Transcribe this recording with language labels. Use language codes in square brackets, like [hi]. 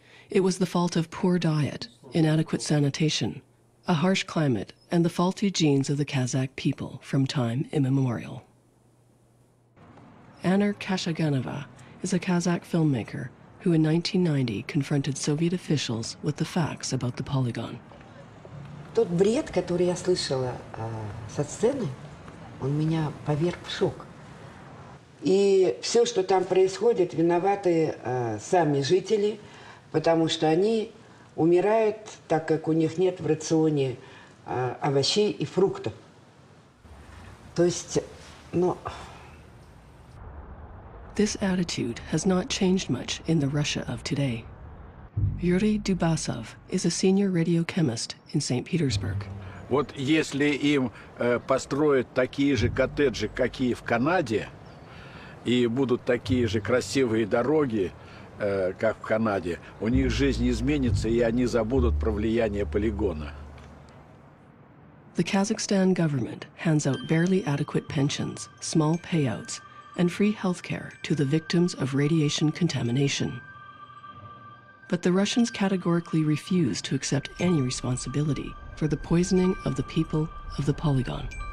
[en] It was the fault of poor diet, inadequate sanitation, a harsh climate, and the faulty genes of the Kazakh people from time immemorial. Anar Kashaganova is a Kazakh filmmaker who in 1990 confronted Soviet officials with the facts about the polygon. [ru] Тот бред, который я слышала со сцены, он меня поверг в шок. И все, что там происходит, виноваты сами жители, потому что они умирают, так как у них нет в рационе овощей и фруктов. То есть, ну... [en] This attitude has not changed much in the Russia of today. Юрий Дубасов is a senior radiochemist in St. Petersburg. [ru] Вот если им построят такие же коттеджи, какие в Канаде, и будут такие же красивые дороги, как в Канаде, у них жизнь изменится, и они забудут про влияние полигона. [en] The Kazakhstan government hands out barely adequate pensions, small payouts, and free health care to the victims of radiation contamination. But the Russians categorically refuse to accept any responsibility for the poisoning of the people of the polygon.